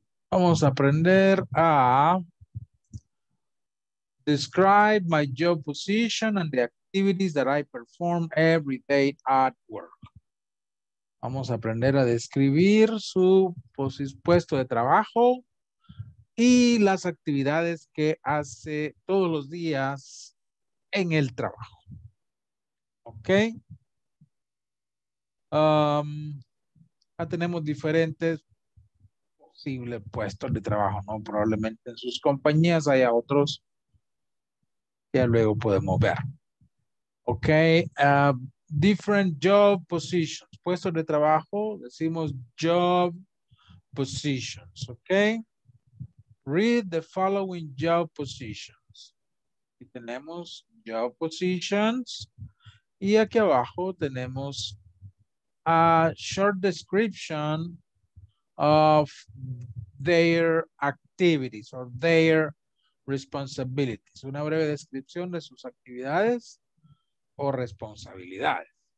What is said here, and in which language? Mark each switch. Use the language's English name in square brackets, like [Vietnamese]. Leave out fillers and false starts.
[Spanish] Vamos a aprender a [English] describe my job position and the activities that I perform every day at work. [Spanish] Vamos a aprender a describir su puesto de trabajo y las actividades que hace todos los días en el trabajo. Okay. Ya tenemos diferentes posibles puestos de trabajo, ¿no? Probablemente en sus compañías haya otros. Ya luego podemos ver. Ok. [English] Different job positions. [Spanish] Puestos de trabajo. Decimos job positions. Ok. [English] Read the following job positions. [Spanish] Aquí tenemos [English] job positions. [Spanish] Y aquí abajo tenemos [English] a short description of their activities or their responsibilities. [Spanish] Una breve descripción de sus actividades o responsabilidades.